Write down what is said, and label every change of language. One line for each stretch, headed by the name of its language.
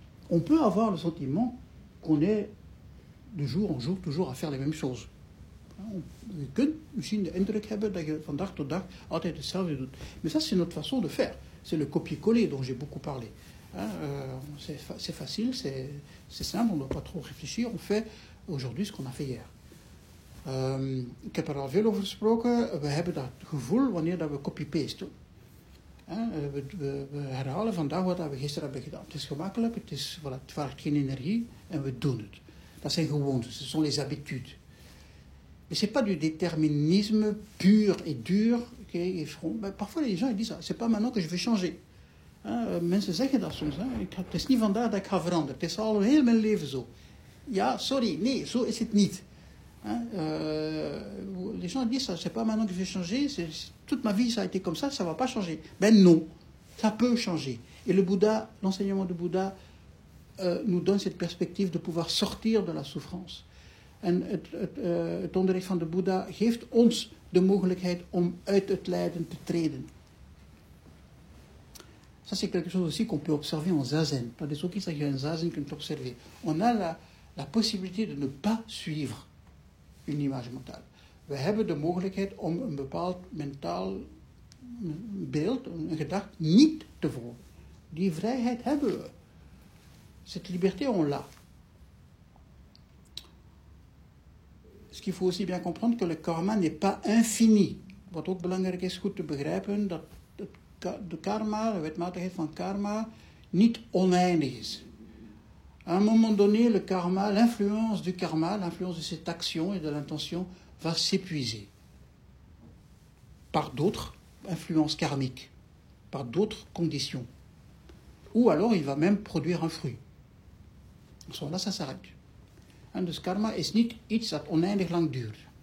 French: On peut avoir le sentiment qu'on est de jour en jour toujours à faire les mêmes choses.
Dutch: Je kunt misschien de indruk hebben dat je van dag tot dag altijd hetzelfde doet.
French: Mais ça, c'est notre façon de faire. C'est le copier-coller dont j'ai beaucoup parlé. C'est facile, c'est simple, on ne doit pas trop réfléchir. On fait aujourd'hui ce qu'on a fait hier.
Dutch: Ik heb er al veel over gesproken. We hebben dat gevoel wanneer dat we copy-pasten. We herhalen vandaag wat we gisteren hebben gedaan. Het is gemakkelijk, het vraagt geen energie en we doen het. Dat zijn gewoontes,
French: ce sont les habitudes. Mais ce n'est pas du déterminisme pur et dur. Okay. Parfois, les gens ils disent, ce n'est pas maintenant que je vais changer.
Dutch: Mensen zeggen dat soms. Het is niet vandaag dat ik ga veranderen. Het is al heel mijn leven zo. Ja, sorry, nee, zo is het niet.
French: Les gens disent, ce n'est pas maintenant que je vais changer. Toute ma vie, ça a été comme ça, ça ne va pas changer. Ben non, ça peut changer. Et le Bouddha, l'enseignement du Bouddha nous donne cette perspective de pouvoir sortir de la souffrance.
Dutch: En het onderricht van de Boeddha geeft ons de mogelijkheid om uit het lijden te treden.
French: Ça c'est quelque chose aussi qu'on peut observer en zazen.
Dutch: Dat is ook iets dat je in zazen kunt observer.
French: On a la possibilité de ne pas suivre une image mentale.
Dutch: We hebben de mogelijkheid om een bepaald mentaal beeld, een gedachte, niet te volgen. Die vrijheid hebben we.
French: Cette liberté, on l'a. Ce qu'il faut aussi bien comprendre, que le karma n'est pas infini.
Dutch: Wat ook belangrijk is goed te begrijpen, dat de karma, de wetmatigheid van karma, niet oneindig is.
French: À un moment donné, le karma, l'influence du karma, l'influence de cette action et de l'intention, va s'épuiser. Par d'autres influences karmiques, par d'autres conditions. Ou alors, il va même produire un fruit. En ce moment-là, ça s'arrête.
Dutch: Dus karma is niet iets dat oneindig lang duurt.